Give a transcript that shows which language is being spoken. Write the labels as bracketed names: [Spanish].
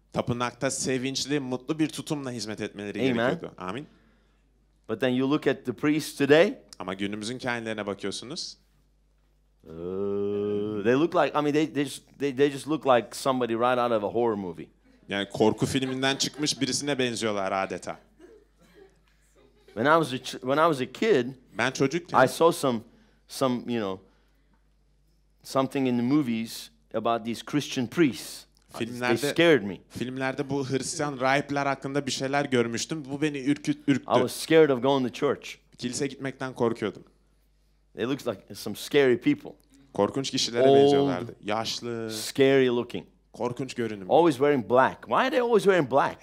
[Turkish] Tapınakta sevinçli, mutlu bir tutumla hizmet etmeleri gerekiyordu. Amin. [English] But then you look at the priest today. [Turkish] Ama günümüzün kâhinlerine bakıyorsunuz. [English] They look like, I mean, they just look like somebody right out of a horror movie. [Turkish] Yani korku filminden çıkmış birisine benziyorlar adeta. [English] When I was a kid, [Turkish] ben çocukken, [English] I saw some, you know, something in the movies about these Christian priests. [Turkish] Filmlerde, [English] they scared me. [Turkish] Filmlerde bu Hristiyan rahipler hakkında bir şeyler görmüştüm. Bu beni ürküttü. [English] I was scared of going to church. [Turkish] Kiliseye gitmekten korkuyordum. [English] They looked like some scary people. [Turkish] Korkunç kişilere benziyorlardı. Yaşlı. [English] Scary looking. [Turkish] Korkunç görünümlü. [English] Always wearing black. Why are they always wearing black?